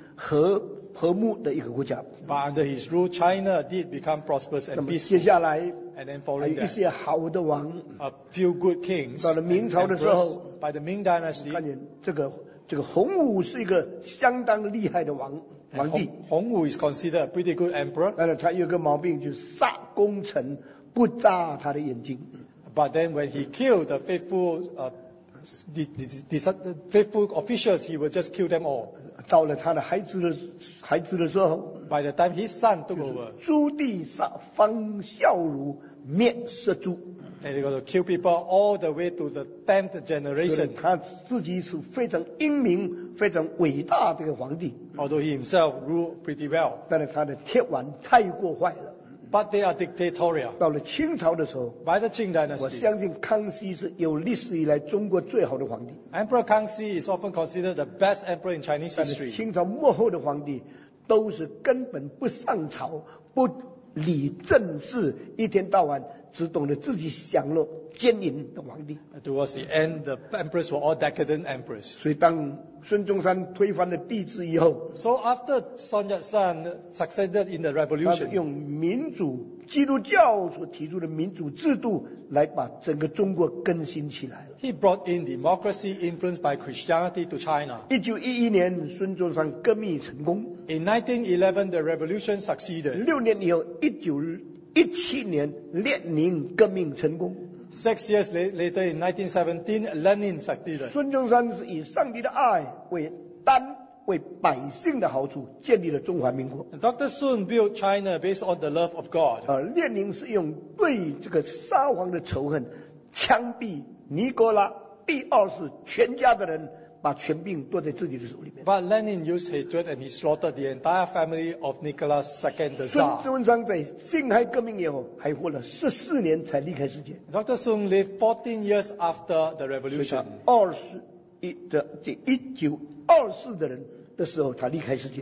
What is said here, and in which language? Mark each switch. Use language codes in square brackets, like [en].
[zh] 中国带到一个非常荣华富贵生平和和睦的一个国家, [en] but under his rule China did become prosperous and peaceful. [zh] 接下来, [en] and then following that, [zh] 还有一些好的王, [en] a few good kings. [zh] 到了明朝的时候, [en] by the Ming Dynasty, [zh] 看见这个, 这个洪武是一个相当厉害的王帝。 [en] 洪武 is considered a pretty good emperor. [zh] 但是他有个毛病，就是杀功臣，不眨他的眼睛。 [en] But then when he killed the faithful officials, he would just kill them all. [zh] 到了他的孩子的时候, [en] by the time his son took over, [zh] 朱棣杀方孝孺，灭社诸。 [en] And he got to kill people all the way to the 10th generation. [zh] 他自己是非常英明非常伟大的皇帝, [en] although he himself ruled pretty well, [zh] 但是他的铁腕太过坏了, [en] but they are dictatorial. [zh] 到了清朝的时候, [en] by the Qing Dynasty, [zh] 我相信康熙是有历史以来中国最好的皇帝, [en] Emperor Kangxi is often considered the best emperor in Chinese history. [zh] 清朝幕后的皇帝都是根本不上朝, 理政治，一天到晚只懂得自己享乐奸淫的皇帝。 [en] Towards the end, the emperors were all decadent emperors. [zh] 所以当孙中山推翻了帝制以后 [en] ，So after Sun Yat-sen succeeded in the revolution， [zh] 他用民主基督教所提出的民主制度来把整个中国更新起来。 [en] He brought in democracy influenced by Christianity to China. [zh] 1911年孙中山革命成功。 [en] In 1911, the revolution succeeded. [zh] 六年以后 ，1917 年列宁革命成功。 [en] Six years later, in 1917, Lenin succeeded. [zh] 孙中山是以上帝的爱为百姓的好处建立了中华民国。 [en] Dr. Sun built China based on the love of God. [zh] 列宁是用对这个沙皇的仇恨，枪毙尼古拉第二世全家的人，把权柄夺在自己的手里面。 [en] But Lenin used hatred and he slaughtered the entire family of Nicholas II, the Tsar. [zh] 孙中山在辛亥革命以后，还活了14年才离开世界。 [en] Dr. Sun lived 14 years after the revolution. [zh] 1924的人的时候，他离开世界。